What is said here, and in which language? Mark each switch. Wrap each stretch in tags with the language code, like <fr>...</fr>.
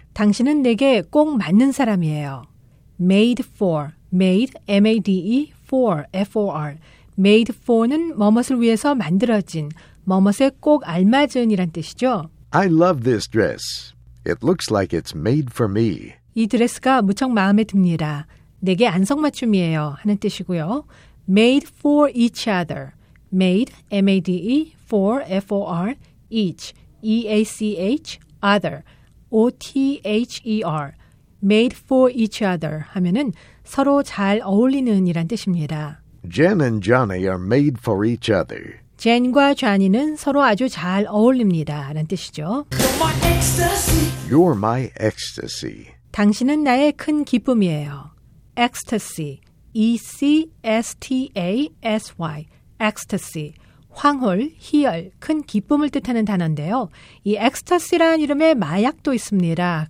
<ko>당신은 내게 꼭 맞는 사람이에요.</ko> <en>Made for, made, M-A-D-E, for, F-O-R.</en> <ko>Made for는 뭐뭇을 위해서 만들어진, 뭐뭇에 꼭 알맞은이란 뜻이죠.</ko> <en>I love this dress. It looks like it's made for me.</en> <ko>이 드레스가 무척 마음에 듭니다. 내게 안성맞춤이에요 하는 뜻이고요.</ko> <en>Made for each other. Made, M-A-D-E, for, F-O-R, each, E-A-C-H, other, O-T-H-E-R.</en> <ko>Made for each other 하면은 서로 잘 어울리는 이란 뜻입니다.</ko> <en>Jen and Johnny are made for each other.</en> <ko>Jen과 Johnny는 서로 아주 잘 어울립니다 라는 뜻이죠.</ko> <en>You're my ecstasy. You're my ecstasy.</en> <ko>당신은 나의 큰 기쁨이에요.</ko> <en>Ecstasy. E-C-S-T-A-S-Y. Ecstasy.</en> <ko>황홀, 희열, 큰 기쁨을 뜻하는 단어인데요. 이 ecstasy라는 이름의 마약도 있습니다.</ko>